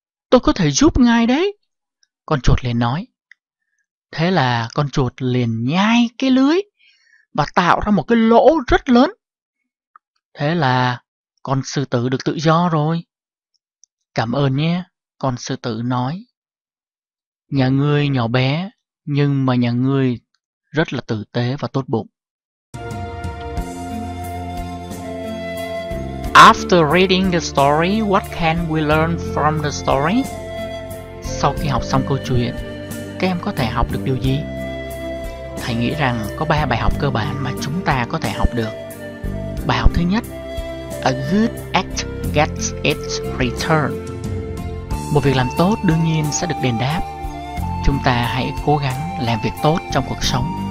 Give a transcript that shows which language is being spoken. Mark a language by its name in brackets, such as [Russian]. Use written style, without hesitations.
[Vietnamese] Tôi có thể giúp ngài đấy. Con chuột liền nói. Thế là con chuột liền nhai cái lưới và tạo ra một cái lỗ rất lớn. Thế là con sư tử được tự do rồi. Cảm ơn nhé, con sư tử nói. Nhà ngươi nhỏ bé, nhưng mà nhà ngươi rất là tử tế và tốt bụng. [English] After reading the story, what can we learn from the story? [Vietnamese] Sau khi học xong câu chuyện, các em có thể học được điều gì? Thầy nghĩ rằng có 3 bài học cơ bản mà chúng ta có thể học được. Bài học thứ nhất, [English] A good act gets its return. [Vietnamese] Một việc làm tốt đương nhiên sẽ được đền đáp. Chúng ta hãy cố gắng làm việc tốt trong cuộc sống.